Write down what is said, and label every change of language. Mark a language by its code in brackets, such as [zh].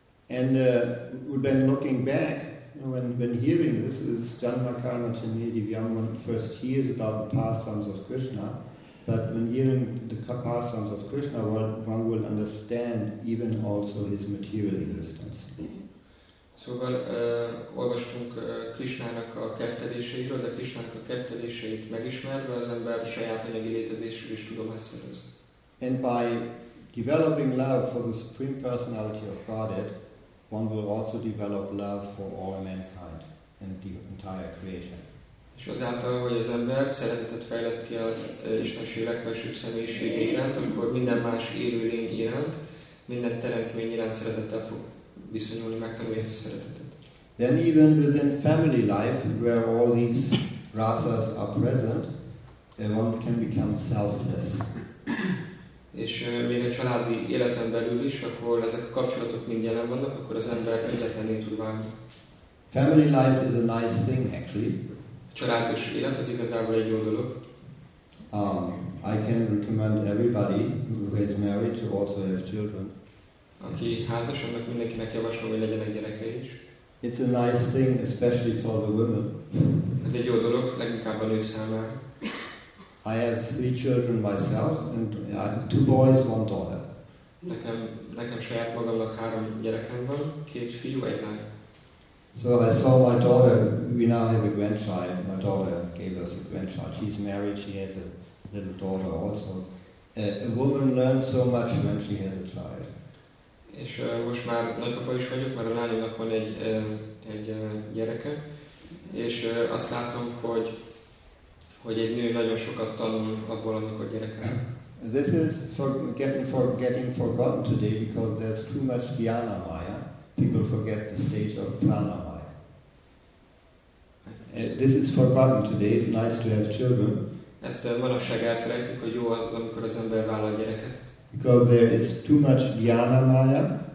[en] And we've been looking back, when hearing this, is Janmakarma Chanedi Vyaman first hears about the pastimes of Krishna. But when hearing the pastimes of Krishna, one will understand even also his material existence. [hu] Szóval olvastunk Krishnának a kefteléseiről, de Krishnának a kefteléseit megismerve az ember saját anyagi létezésről is tudomást szerez. [en] And by developing love for the Supreme Personality of Godhead, one will also develop love for all mankind and the entire creation. [hu] És azáltal, hogy az ember szeretetet fejleszt ki az Istenség legfelsőbb személyisége iránt, akkor minden más élőlény iránt, minden teremtmény iránt szeretettel fog viszonyulni, megtanulni ezt a szeretetet. [en] Then even within family life, where all these rasas are present, one can become selfless. [hu] És még a családi életen belül is, akkor ezek a kapcsolatok mind jelen vannak, akkor az ember önzetlenné tud válni. [en] Family life is a nice thing, actually. [hu] Családos élet az igazából egy jó dolog. [en] I can recommend everybody who is married to also have children. [hu] Aki házas, annak mindenkinek javaslom, hogy legyenek gyerekei is. [en] It's a nice thing, especially for the women. [hu] Ez egy jó dolog, leginkább a nők számára. [en] I have three children myself, and I have two boys, one daughter. [hu] Nekem saját magamnak három gyerekem van, két fiú, egy lány. [en] So I saw my daughter, we now have a grandchild, my daughter gave us a grandchild, she's married, she has a little daughter also. A woman learns so much when she has a child. [hu] És most már nagypapa is vagyok, mert a lányomnak van egy gyereke, és azt látom, hogy egy nő nagyon sokat tanul abból, amikor gyereke. [en] This is getting forgotten today, because there's too much dhyana maya. People forget the stage of prana maya. This is forgotten today. It's nice to have children. [hu] Ezt manapság elfelejtik, hogy jó az, amikor az ember vállal gyereket. [en] Because there is too much dhyana maya.